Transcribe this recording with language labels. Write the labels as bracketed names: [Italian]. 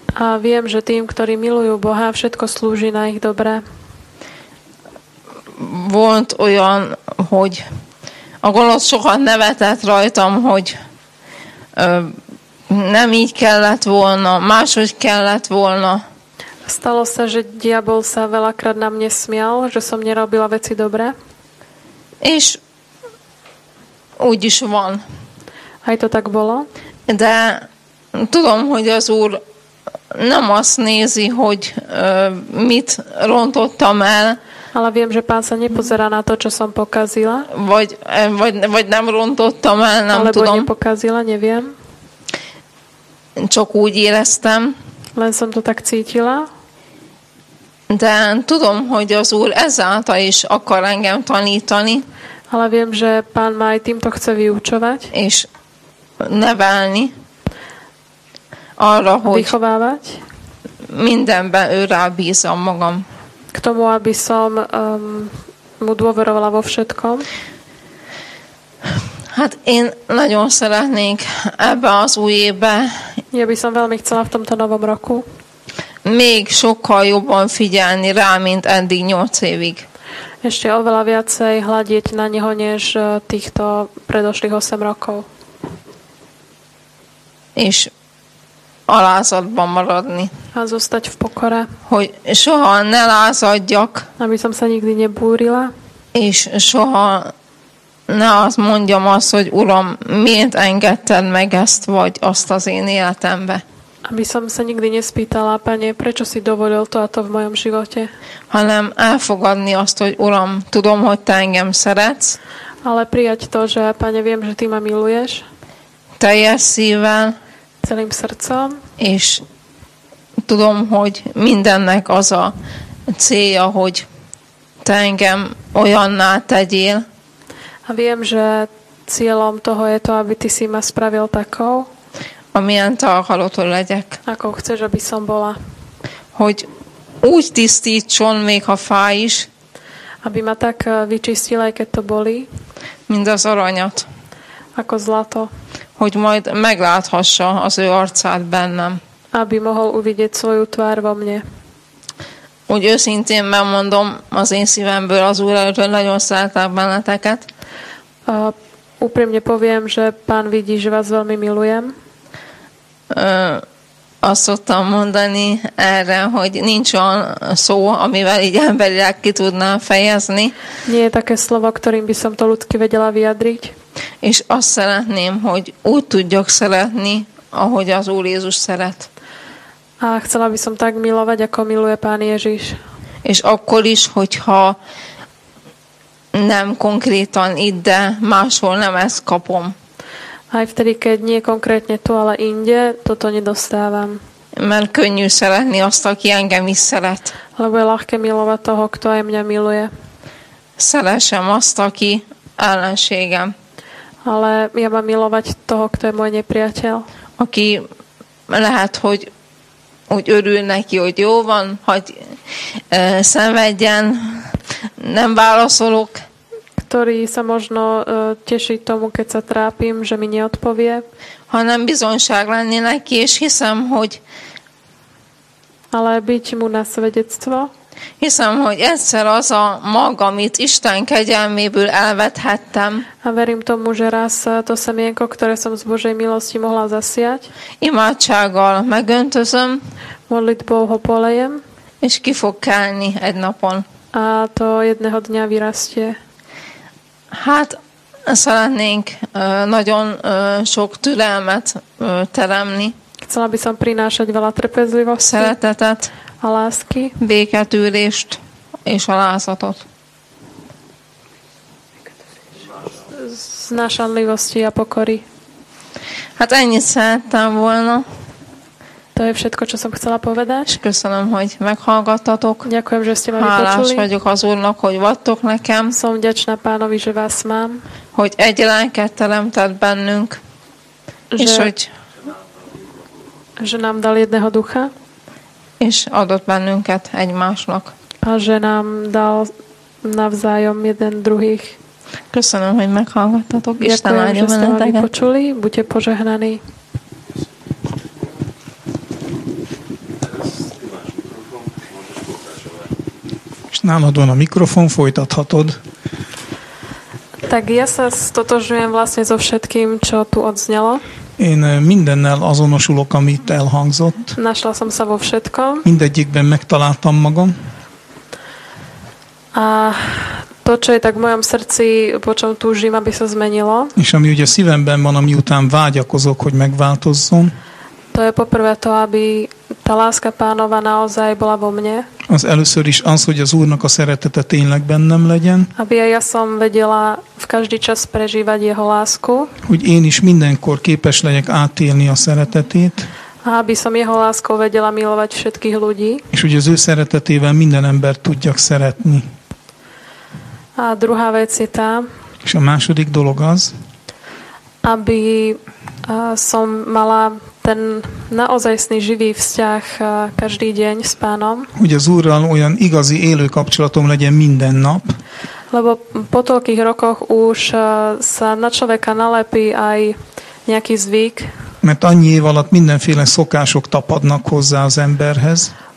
[Slovak] A viem, že tým, ktorí milujú Boha, všetko slúži na ich dobré. [Hungarian] Volt olyan, hogy a gonosz sokat nevetett rajtam, hogy nem így kellett volna, máshogy kellett volna. [Slovak] Stalo sa, že diabol sa veľakrát na mne smial, že som nerobila veci dobré. [Hungarian] És úgy is van. [Slovak] Aj to tak bolo? [Hungarian] De tudom, hogy az Úr nem azt nézi, hogy mit rontottam el. [Slovak] Ale viem, že Pán sa nepozerá na to, čo som pokazila. [Hungarian] Vagy nem rontottam el, nem [Slovak] alebo [Hungarian] tudom. [Slovak] Alebo nepokazila, neviem. [Hungarian] Csak úgy éreztem. [Slovak] Len som to tak cítila. [Hungarian] De tudom, hogy az Úr ezáltal is akar engem tanítani. [Slovak] Ale viem, že Pán ma aj týmto chce vyučovať. [Hungarian] És nevelni. Arra, hogy [Slovak] vychovávať. [Hungarian] Mindenben ő rábízom magam. [Slovak] K tomu, aby som mu dôverovala vo všetkom. [Hungarian] Hát én nagyon szeretnék ebbe az új évbe. [Slovak] Ja by som veľmi chcela v tomto novom roku. [Hungarian] Még sokkal jobban figyelni rá, mint eddig 8 évig. [Slovak] Ešte oveľa viacej hľadiť na neho, než týchto predošlých 8 rokov. [Hungarian] és a lázadban maradni. [Slovak] A zostať v pokore. [Hungarian] Hogy soha ne lázadjak. [Slovak] Aby som sa nikdy nebúrila. [Hungarian] És soha ne azt mondjam azt, hogy Uram, miért engedted meg ezt vagy azt az én életembe. [Slovak] Aby som sa nikdy nespýtala, Pane, prečo si dovolil to a to v mojom živote. [Hungarian] Hanem elfogadni azt, hogy Uram, tudom, hogy te engem szeretsz. [Slovak] Ale prijať to, že Pane, viem, že ty ma miluješ. [Hungarian] Teljes szívvel. [Slovak] Celým srdcom. [Hungarian] És tudom, hogy mindennek az a célja, hogy te engem olyanná tegyél. [Slovak] A viem, že cieľom toho je to, aby ty si ma spravil takou. [Hungarian] Amilyen te akarod, hogy legyek. [Slovak] Akkor chcesz, aby som bola. [Hungarian] Hogy úgy tisztítson, még ha fáj is. [Slovak] Aby ma tak vyčistil, aj keď to bolí. [Hungarian] Mint az aranyat. [Slovak] Ako zlato. [Hungarian] Hogy majd megláthassa az ő arcát bennem. [Slovak] Aby mohol uvidieť svoju tvár vo mne. [Hungarian] Úgy őszintén megmondom az én szívemből az Úr előtt, hogy nagyon szeretek benneteket. [Slovak] Úprimne poviem, že Pán vidí, že vás veľmi milujem. [Hungarian] Azt szoktam mondani erre, hogy nincs olyan szó, amivel így emberileg ki tudnám fejezni. [Slovak] Nie je také slovo, ktorým by som to ľudsky vedela vyjadriť. [Hungarian] És azt szeretném, hogy úgy tudjak szeretni, ahogy az Úr Jézus szeret. [Slovak] A chcela by som tak milovať, ako miluje Pán Ježiš. [Hungarian] És akkor is, hogyha nem konkrétan itt, de máshol nem ezt kapom. [Slovak] Aj vtedy, keď nie konkrétne tu, ale inde, toto nedostávam. [Hungarian] Mert könnyű szeretni azt, aki engem is szeret. [Slovak] Lebo je ľahké milovať toho, kto aj mňa miluje. [Hungarian] Szeressem azt, aki ellenségem. [Slovak] Ale ja mám milovať toho, kto je môj nepriateľ. [Hungarian] Aki lehet, hogy úgy örül neki, hogy jó van, hogy szenvedjen, nem válaszolok. [Slovak] Ktorý sa možno teší tomu, keď sa trápim, že mi neodpovie. [Hungarian] Hanem bizonyság lenni neki, és hiszem, hogy... [Slovak] Ale byť mu na svedectvo. [Hungarian] Hiszem, hogy egyszer az a mag, amit Isten kegyelméből elvethettem. [Slovak] A verím tomu, že raz to semienko, ktoré som z Božej milosti mohla zasiať. [Hungarian] Imádsággal megöntözöm. [Slovak] Modlitbou ho polejem. [Hungarian] És ki fog kelni egy napon. [Slovak] A to jedného dňa vyrastie. [Hungarian] Hát szeretnénk nagyon sok türelmet teremni. [Slovak] Chcela by som prinášať veľa trpezlivosti. [Hungarian] Szeretetet. [Slovak] A lásky. [Hungarian] Béketűrést és a lázatot. [Slovak] Znášanlivosti a pokory. [Hungarian] Hát ennyit szerettem volna. [Slovak] To je všetko, čo som chcela povedať. [Hungarian] Köszönöm, hogy meghallgattatok. [Slovak] Ďakujem, že ste ma vypočuli. [Hungarian] Hálás vagyok az Úrnak, hogy vattok nekem. [Slovak] Som vďačná Pánovi, že vás mám. [Hungarian] Hogy egy lelket teremtett bennünk. [Slovak] Že nám dal jedného ducha. [Hungarian] És adott bennünket egymásnak. [Slovak] A že nám dal navzájom jeden druhých. [Hungarian] Köszönöm, hogy meghallgattatok. Isten áldjon benneteket. [Slovak] Ďakujem, že ste ma vypočuli. Buďte požehnaní. [Hungarian] Nálad van a mikrofon, folytathatod. [Slovak] Tak ja sa stotožujem vlastne so všetkým, čo tu odznelo. [Hungarian] Én mindennel azonosulok, amit elhangzott. [Slovak] Našla som sa vo všetkom. [Hungarian] Mindegyikben megtaláltam magam. [Slovak] A to, čo je tak v mojom srdci, po čom túžim, aby sa zmenilo. [Hungarian] És ami ugye szívemben van, ami után vágyakozok, hogy megváltozzon. [Slovak] To je poprvé to, aby tá láska Pánova naozaj bola vo mne. [Hungarian] Az először is az, hogy az Úrnak a szeretete tényleg bennem legyen. [Slovak] Aby ja som vedela v každý čas prežívať jeho lásku. [Hungarian] Hogy én is mindenkor képes legyek átélni a szeretetét. [Slovak] Aby som jeho láskou vedela milovať všetkých ľudí. [Hungarian] És hogy az ő szeretetével minden ember tudjak szeretni. [Slovak] A druhá vec je tá. [Hungarian] És a második dolog az. [Slovak] Aby som mala ten naozajstný živý vzťah každý deň s Pánom. [Hungarian] Hogy az Úrral olyan igazi élő kapcsolatom legyen minden nap. [Slovak] Lebo po toľkých rokoch už sa na človeka nalepí aj nejaký zvyk. [Hungarian] Mert annyi év alatt mindenféle szokások tapadnak hozzá az emberhez.